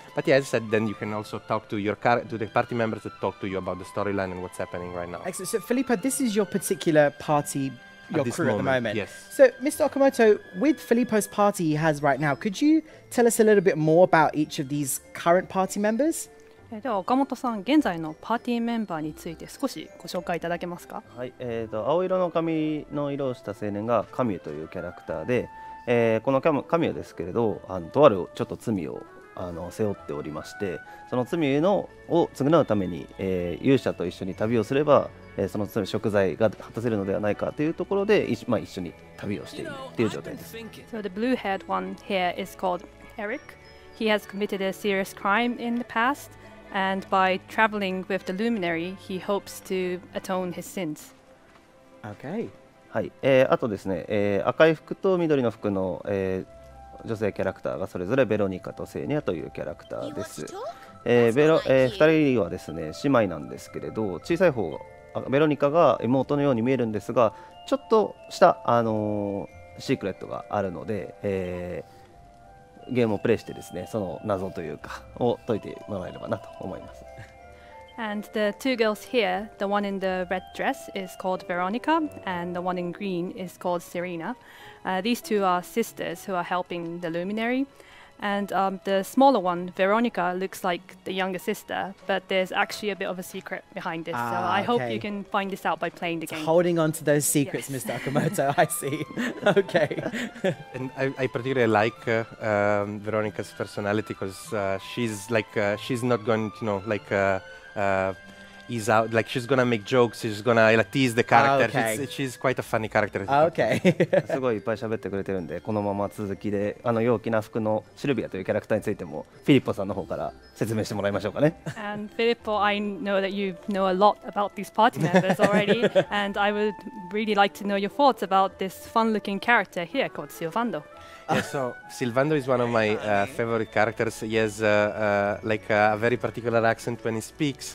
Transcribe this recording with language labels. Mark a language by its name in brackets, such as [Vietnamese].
[English] But yeah, as I said, then you can also talk to your to the party members that talk to you about the storyline and what's happening right now. Excellent. So, Philippa, this is your particular party, your crew at the moment. Yes. So, Mr. Okamoto, with Filippo's party he has right now, could you tell us a little bit more about each of these current party members? [Japanese] では岡本さん、現在のパーティーメンバーについて少しご紹介いただけますか。はい、青色の髪の色をした青年がカミューというキャラクターで、このカミューですけれど、とあるちょっと罪を背負っておりまして、その罪を償うために、勇者と一緒に旅をすれば、その食材が果たせるのではないかというところで、まあ、一緒に旅をしているという状態です。 [English] So the blue-haired one here is called Eric. He has committed a serious crime in the past. And by traveling with the luminary, he hopes to atone his sins. Okay. [Japanese] はい。あとですね、赤い服と緑の服の、女性キャラクターがそれぞれベロニカとセーニャというキャラクターです。二人はですね、姉妹なんですけれど、小さい方、ベロニカが妹のように見えるんですが、ちょっとしたシークレットがあるので、ゲームをプレイしてですね、その謎というかを解いてもらえればなと思います。 [English] And the two girls here, the one in the red dress is called Veronica, and the one in green is called Serena. These two are sisters who are helping the luminary. And the smaller one, Veronica, looks like the younger sister, but there's actually a bit of a secret behind this. So I hope you can find this out by playing the game. It's holding on to those secrets, yes. Mr. Okamoto, I see. Okay. And I particularly like Veronica's personality because she's not going to, you know, ease out. Like, she's going to make jokes, she's going to like, tease the character. Okay. She's quite a funny character. Okay. [Japanese] すごいいっぱい喋ってくれてるんで、このまま続きで、あの陽気な服のシルビアというキャラクターについても、フィリッポさんの方から説明してもらいましょうかね。 [English] And Filippo, I know that you know a lot about these party members already, and I would really like to know your thoughts about this fun-looking character here called Silvando. Yeah, so Silvando is one of my favorite characters. He has a very particular accent when he speaks.